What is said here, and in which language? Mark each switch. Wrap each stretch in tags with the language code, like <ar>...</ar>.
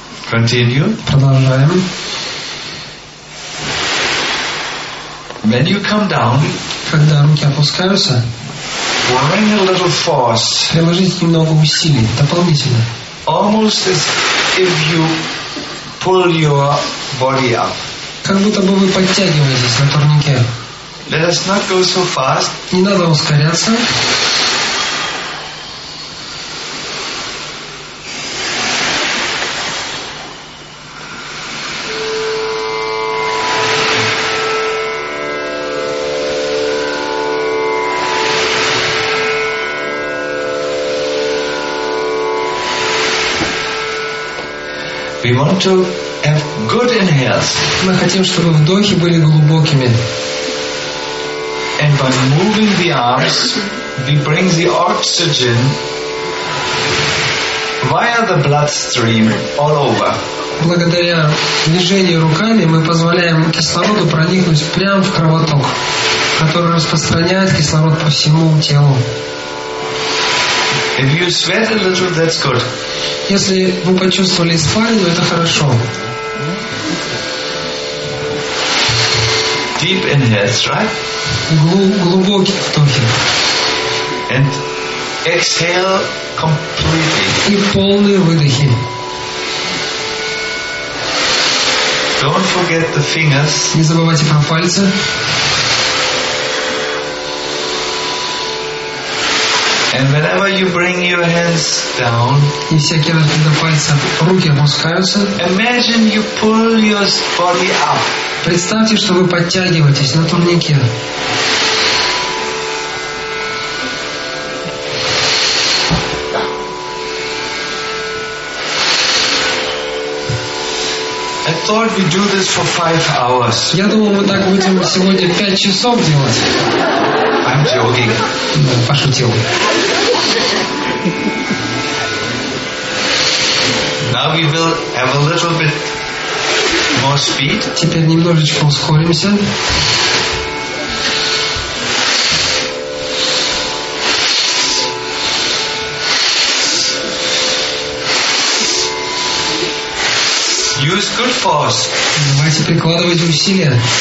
<en>Continue.</en> <ru>Продолжаем.</ru> <en>When you come down,</en> <ru>когда руки опускаются,</ru> <en>bring a little force,</en> <ru>приложите немного усилий, дополнительно.</ru> <en>Almost as if you pull your body up.</en> <ru>Как будто бы вы подтягиваетесь на турнике.</ru> <en>Let us not go so fast.</en> <ru>Не надо ускоряться.</ru> <en>We want to have good inhales.</en> <ru>Мы хотим, чтобы вдохи были глубокими.</ru> <en>And by moving the arms, we bring the oxygen via the bloodstream all over.</en> <ru>Благодаря движению руками мы позволяем кислороду проникнуть прямо в кровоток, который распространяет кислород по всему телу.</ru> <en>If you sweat a little, that's good.</en> <ru>Если вы почувствовали испарину, это хорошо.</ru> <en>Deep inhales, right?</en> <ru>Глубокие вдохи.</ru> <en>And exhale completely.</en> <ru>И полные выдохи.</ru> <en>Don't forget the fingers.</en> <ru>Не забывайте про пальцы.</ru> <en>And whenever you bring your hands down,</en> <ru>и всякий раз, когда пальцы, руки опускаются,</ru> <en>imagine you pull your body up.</en> <ru>Представьте, что вы подтягиваетесь на турнике.</ru> <en>I thought we do this for 5 hours.</en> <ru>Я думал, мы так будем сегодня 5 часов делать.</ru> <en>I'm joking.</en> <ru>Пошутил.</ru> <en>Now we will have a little bit more speed.</en> <ru>Теперь немножечко ускоримся.</ru> <en>Use good force.</en> <ru>Давайте прикладывать усилия.</ru>